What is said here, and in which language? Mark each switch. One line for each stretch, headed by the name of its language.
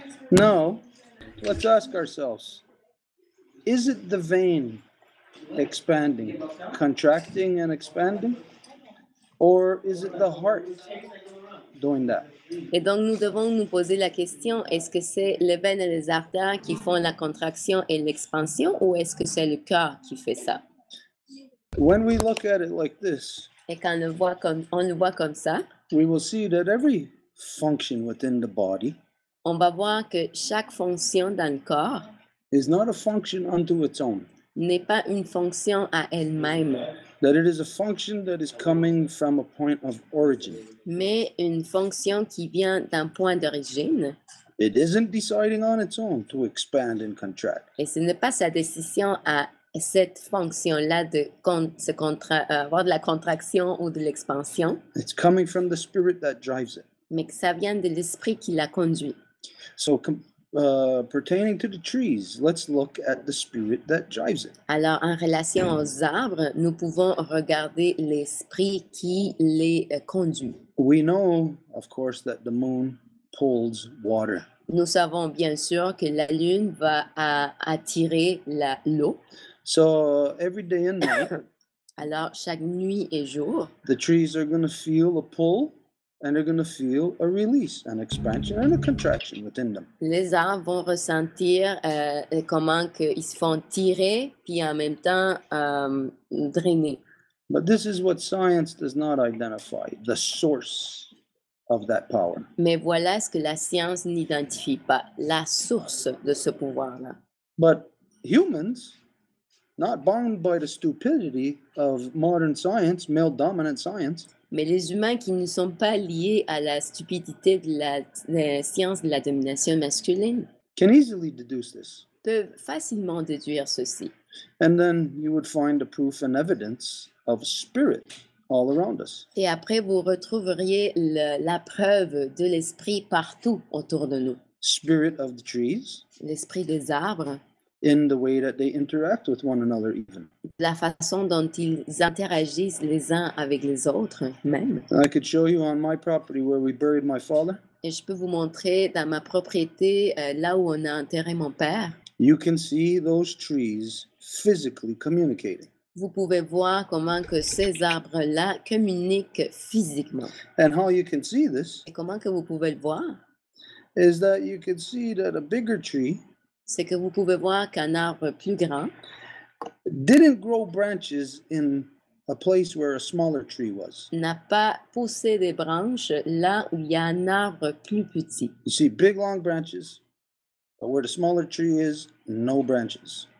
English: No, let's ask ourselves, is it the vein expanding, contracting and expanding, or is it the heart doing that?
French: Et donc nous devons nous poser la question, est-ce que c'est les veines et les artères qui font la contraction et l'expansion, ou est-ce que c'est le cœur qui fait ça?
English: When we look at it like this,
French: et quand on le voit comme ça,
English: we will see that every function within the body,
French: on va voir que chaque fonction dans le corps
English: is not a function unto its own,
French: n'est pas une fonction à elle-même.
English: That it is a function that is coming from a point of origin.
French: Mais une fonction qui vient d'un point d'origine.
English: It isn't deciding on its own to expand and contract.
French: Et ce n'est pas sa décision à cette fonction-là de avoir de la contraction ou de l'expansion.
English: It's coming from the spirit that drives it.
French: Mais que ça vient de l'esprit qui la conduit.
English: So, pertaining to the trees, let's look at the spirit that drives it.
French: Alors, en relation aux arbres, nous pouvons regarder l'esprit qui les conduit.
English: We know, of course, that the moon pulls water.
French: Nous savons bien sûr que la lune va attirer l'eau.
English: So, every day and night,
French: alors, chaque nuit et jour,
English: the trees are going to feel a pull. And they're going to feel a release, an expansion, and a contraction within them.
French: Les arbres vont ressentir comment qu'ils se font tirer, puis en même temps drainer.
English: But this is what science does not identify, the source of that power.
French: Mais voilà ce que la science n'identifie pas, la source de ce pouvoir-là.
English: But humans, not bound by the stupidity of modern science, male-dominant science,
French: mais les humains qui ne sont pas liés à la stupidité de la science de la domination masculine
English: can easily deduce this.
French: Peuvent facilement déduire ceci.
English: And then you would find the proof and evidence of spirit all around us.
French: Et après, vous retrouveriez la preuve de l'esprit partout autour de nous.
English: Spirit of the trees.
French: L'esprit des arbres.
English: In the way that they interact with one another, even.
French: La façon dont ils interagissent les uns avec les autres, même.
English: I could show you on my property where we buried my father.
French: Et je peux vous montrer dans ma propriété là où on a enterré mon père.
English: You can see those trees physically communicating.
French: Vous pouvez voir comment que ces arbres-là communiquent physiquement.
English: And how you can see this?
French: Et comment que vous pouvez le voir?
English: Is that you can see that a bigger tree?
French: C'est que vous pouvez voir qu'un arbre plus grand
English: didn't grow branches in a place where a smaller tree was.
French: N'a pas poussé des branches là où il y a un arbre plus petit.
English: You see big long branches, but where the smaller tree is, no branches.